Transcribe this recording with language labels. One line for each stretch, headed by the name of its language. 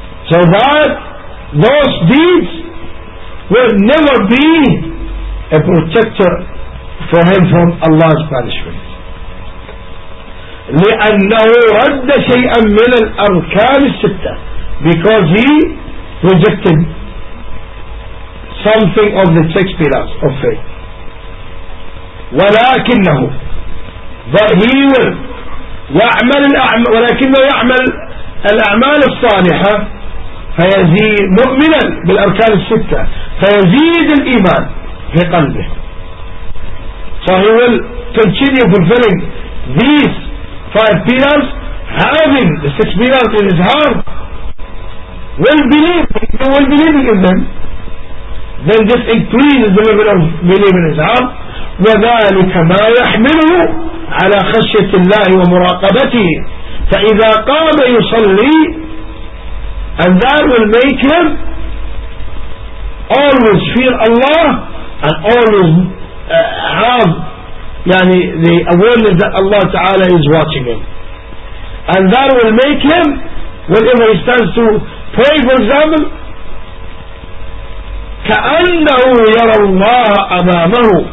English: So that those deeds will never be a protector for him from Allah's punishment.
Arabic: لِأَنَّهُ رَدَّ شَيْئًا مِنَ الْأَرْكَانِ السِّتَّةِ.
English: Because he rejected something of the six pillars of faith.
Arabic: ولكنه ظهير يعمل الأعمال ولكنه يعمل الأعمال الصالحة فيزيد مؤمنا بالأركان الستة فيزيد الإيمان في قلبه.
English: So he will continue fulfilling these five pillars, having the six pillars in his heart. Well believing in them, then this increases the level of belief in his heart.
Arabic: وذلك ما يحمله على خشية الله ومراقبته فإذا قام يصلي.
English: And that will make him always fear Allah and always have yani the awareness that Allah Ta'ala is watching him. And that will make him, whenever he starts to pray, for example,
Arabic: كَأَنَّهُ يَرَى اللَّهَ أَمَامَهُ.